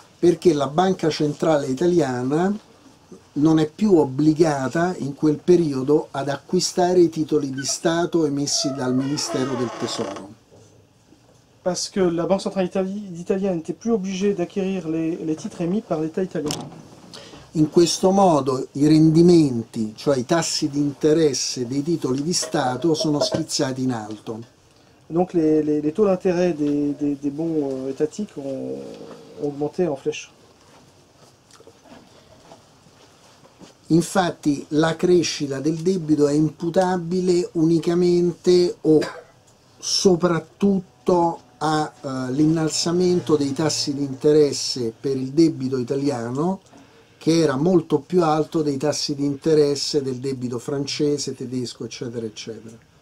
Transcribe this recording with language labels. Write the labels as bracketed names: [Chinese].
[Italian] Perché la Banca Centrale Italiana non è più obbligata in quel periodo ad acquistare i titoli di Stato emessi dal Ministero del Tesoro. [French] Parce que la Banque Centrale Italiana n'était plus obligée d'acquérir les titres émis par l'État italien. [Italian] In questo modo i rendimenti, cioè i tassi di interesse dei titoli di Stato, sono schizzati in alto. [French] Donc les taux d'intérêt des bons étatiques ont augmenté en flèche. [Italian] Infatti, la crescita del debito è imputabile unicamente o soprattutto all'innalzamento dei tassi di interesse per il debito italiano, che era molto più alto dei tassi di interesse del debito francese, tedesco, eccetera, eccetera.